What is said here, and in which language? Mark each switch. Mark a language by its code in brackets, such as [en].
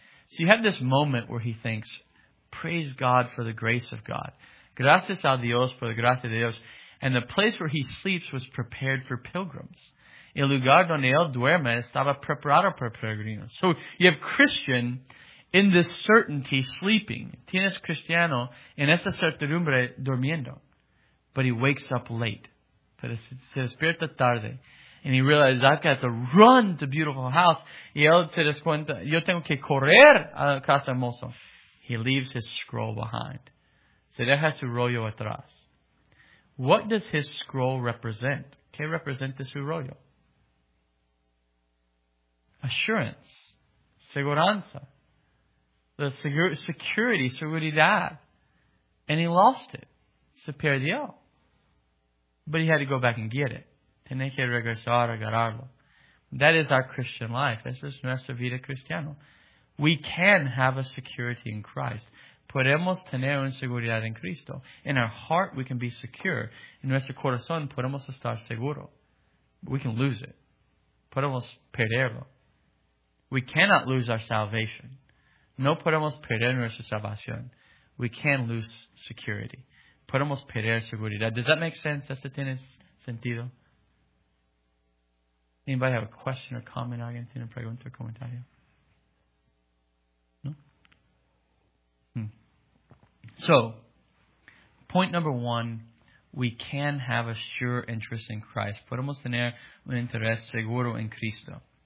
[en] So you have this moment where he thinks, praise God for the grace of God. [es] Gracias a Dios por la gracia de Dios. [en] And the place where he sleeps was prepared for pilgrims. [es] El lugar donde él duerme estaba preparado para peregrinos. [en] So you have Christian in this certainty sleeping. [es] Tienes cristiano en esa certidumbre durmiendo. [en] But he wakes up late. [es] Pero se despierta tarde. [en] And he realizes, I've got to run to beautiful house. [es] Y él se descuenta, yo tengo que correr a casa hermosa. [en] He leaves his scroll behind. [es] Se deja su rollo atrás. [en] What does his scroll represent? [es] ¿Qué representa su rollo? [en] Assurance. Seguranza. The security, seguridad. And he lost it. [es] Se perdió. [en] But he had to go back and get it. [es] Tiene que regresar a agarrarlo. [en] That is our Christian life. [es] Esa es nuestra vida cristiana. [en] We can have a security in Christ. [es] Podemos tener una seguridad en Cristo. [en] In our heart, we can be secure. [es] En nuestro corazón, podemos estar seguro. [en] We can lose it. [es] Podemos perderlo. [en] We cannot lose our salvation. [es] No podemos perder nuestra salvación. [en] We can lose security. [es] Podemos perder seguridad. [en] Does that make sense? [es] ¿Esto tiene sentido? [en] Anybody have a question or comment? [es] ¿Alguien tiene pregunta o comentario? [en] No? So, point number one, we can have a sure interest in Christ. [es] Podemos tener un interés seguro en Cristo.